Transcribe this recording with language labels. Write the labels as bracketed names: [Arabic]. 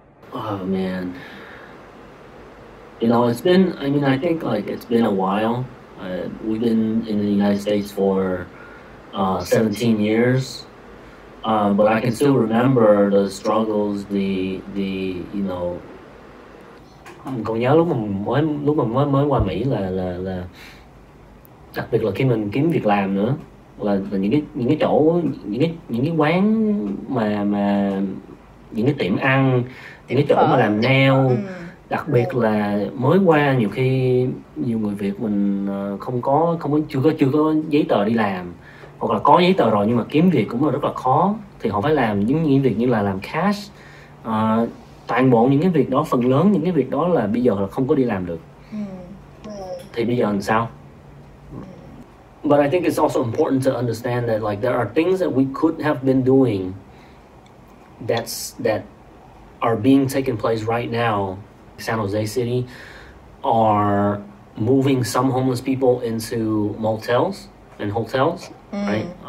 [English] Oh man. You know, it's been a while. We've been in the United States for 17 years. But I can still remember the struggles, the you know. [Vietnamese] Còn nhớ lúc mà mới qua Mỹ là đặc biệt là khi mình kiếm việc làm nữa là những cái chỗ quán mà những cái tiệm ăn, những cái chỗ mà làm nail, đặc biệt là mới qua nhiều khi nhiều người Việt mình chưa có giấy tờ đi làm. Hoặc là có giấy tờ rồi nhưng mà kiếm việc cũng là rất là khó. Thì họ phải làm những việc như là làm cash. Toàn bộ những cái việc đó, phần lớn những cái việc đó là bây giờ là không có đi làm được. Thì bây giờ làm sao? [English] But I think it's also important to understand that like there are things that we could have been doing that are being taken place right now. San Jose City are moving some homeless people into motels and hotels. Right.